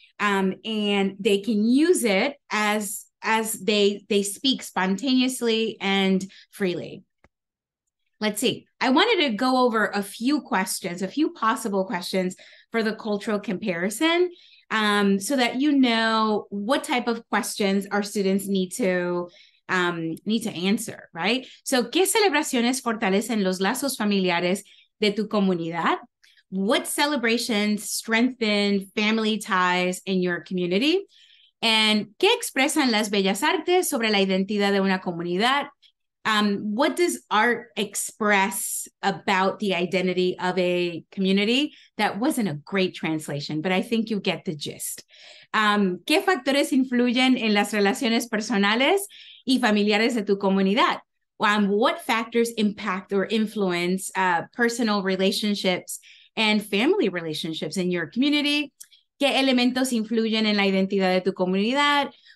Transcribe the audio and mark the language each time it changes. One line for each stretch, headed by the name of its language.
English: And they can use it as they speak spontaneously and freely. Let's see. I wanted to go over a few possible questions for the cultural comparison so that you know what type of questions our students need to answer, right?
Spanish: So, ¿qué celebraciones fortalecen los lazos familiares de tu comunidad?
English: What celebrations strengthen family ties in your community?
Spanish: And ¿qué expresan las bellas artes sobre la identidad de una comunidad?
English: What does art express about the identity of a community? That wasn't a great translation, but I think you get the gist.
Spanish: ¿Qué factores influyen en las relaciones personales y familiares de tu comunidad?
English: What factors impact or influence personal relationships and family relationships in your community?
Spanish: ¿Qué elementos influyen en la identidad de tu comunidad?